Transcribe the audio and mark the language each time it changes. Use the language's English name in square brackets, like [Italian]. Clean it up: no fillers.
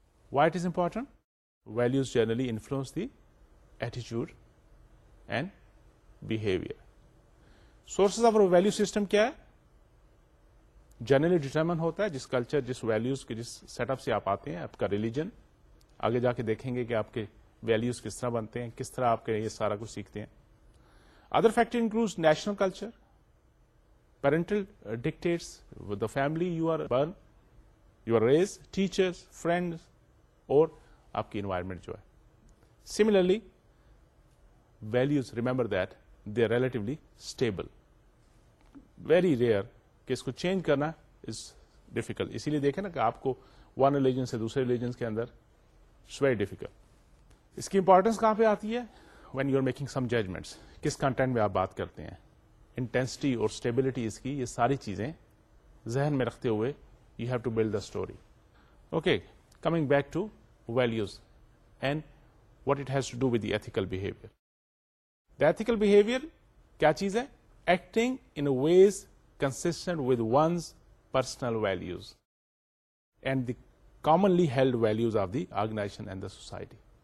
[English] Why it is important? Values generally influence the attitude and behavior. Sources of our value system [Urdu] کیا ہے؟ Generally determine ہوتا ہے جس culture, جس values کے جس سیٹ اپ سے آپ آتے ہیں, آپ کا ریلیجن. آگے جا کے دیکھیں گے کہ آپ کے ویلوز کس طرح بنتے ہیں, کس طرح آپ کے یہ سارا کچھ سیکھتے ہیں. [English] Other factor includes national culture, parental dictates, with the family you are born, you are raised, teachers, friends, [Urdu] اور آپ کی environment جو ہے. [English] Similarly, values, remember that they are relatively stable. Very rare [Urdu] کہ اس کو چینج کرنا [English] is difficult. [Urdu] اسی لیے دیکھیں نا کہ آپ کو one religion سے دوسرے religions کے اندر [English] it's very difficult. [Urdu] اس کی امپورٹینس کہاں پہ آتی ہے؟ [English] When you are making some judgments, [Urdu] کس کنٹینٹ میں آپ بات کرتے ہیں, intensity اور stability اس کی, یہ ساری چیزیں ذہن میں رکھتے ہوئے [English] you have to build the story. Okay, coming back to values and what it has to do with the ethical behavior. The ethical behavior, [Urdu] kya cheez hai? [English] Acting in a ways consistent with one's personal values and the commonly held values of the organization and the society.